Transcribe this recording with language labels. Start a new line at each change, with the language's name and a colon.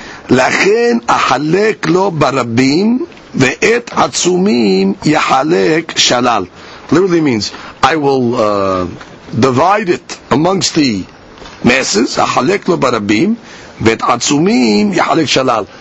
Hebrew: לכן אחלק לו ברבים ואת עצומים יחלק שלל.
English: Literally means I will divide it amongst the masses.
Hebrew: אחלק לו ברבים ואת עצומים יחלק שלל.